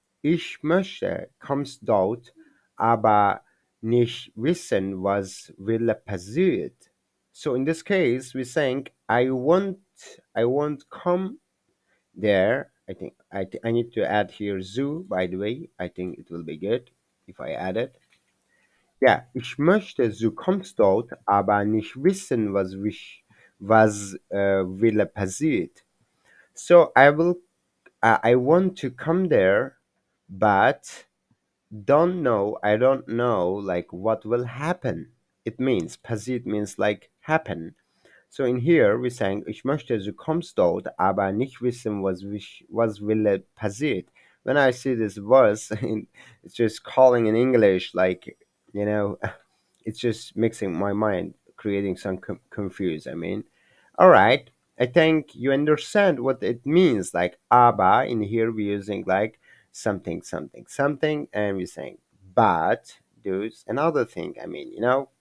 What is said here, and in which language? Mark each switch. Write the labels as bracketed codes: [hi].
[de] Ich möchte comes dort, aber nicht wissen was will passiert. [en] So in this case we're saying I won't come there. I need to add here zoo, by the way. I think it will be good if I add it. [de] Yeah, ich möchte zu kommst dort, aber nicht wissen, was will passiert. [en] So I want to come there, but I don't know like what will happen. It means passiert means like happen. So in here we saying [de] ich möchte zu kommst dort, aber nicht wissen was will passiert. [en] When I see this verse, it's just calling in English, like, you know, it's just mixing my mind, creating some confuse. I mean, all right, I think you understand what it means. Like aber in here we're using like something, and we're saying but there's another thing. I mean, you know.